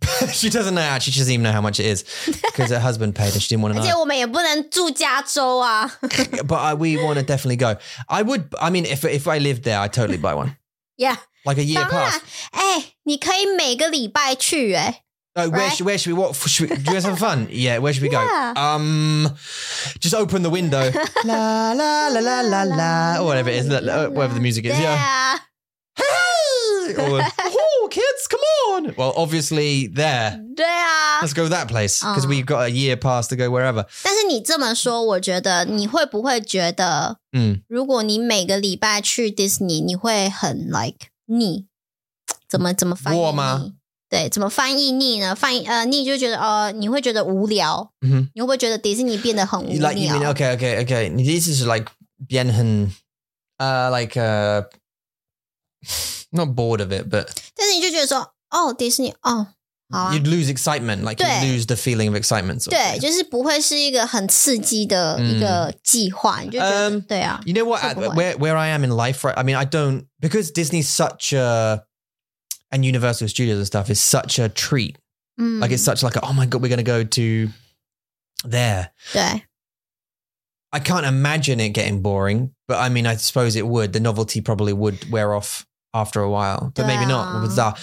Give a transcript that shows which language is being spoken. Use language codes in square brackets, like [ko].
[en] She doesn't know, actually, she doesn't even know how much it is because her husband paid and she didn't want to know. [zh] 而且我们也不能住加州啊。 [en] But we want to definitely go. I would, I mean, if I lived there, I'd totally buy one. Yeah. Like a year pass. [zh] 哎，你可以每个礼拜去哎。 [en] Oh, where, right? Where should we walk? Should we, do you have some fun? Yeah, where should we go? Yeah. Just open the window. La, la, la, la, la, la. Or whatever it is. La, la, whatever the music is. Yeah. Hey! Or, oh, kids, come on. Well, obviously there. There. Let's go that place. Because we've got a year pass to go wherever. [zh] 但是你这么说,我觉得你会不会觉得如果你每个礼拜去 Disney, 你会很 like, 腻。怎么翻译你? 我吗? 对，怎么翻译腻呢？翻译腻就觉得你会觉得无聊。 Mm-hmm. 你会不会觉得迪士尼变得很无聊 [en] ？Like you mean, okay. [zh] 你的意思是 [en] like [zh] 变很 [en] not bored of it, but [zh] 但是你就觉得说哦，迪士尼哦，好啊。 [en] You'd lose excitement, like you lose the feeling of excitement. Sort of [zh] 对，就是不会是一个很刺激的一个计划。你就觉得对啊。 [en] You know what? [zh] 会不会 [en] where I am in life, right? I mean, I don't because Disney's such a and Universal Studios and stuff is such a treat. Like, it's such like, oh my God, we're going to go to there. Yeah. I can't imagine it getting boring, but I mean, I suppose it would. The novelty probably would wear off after a while, but maybe not.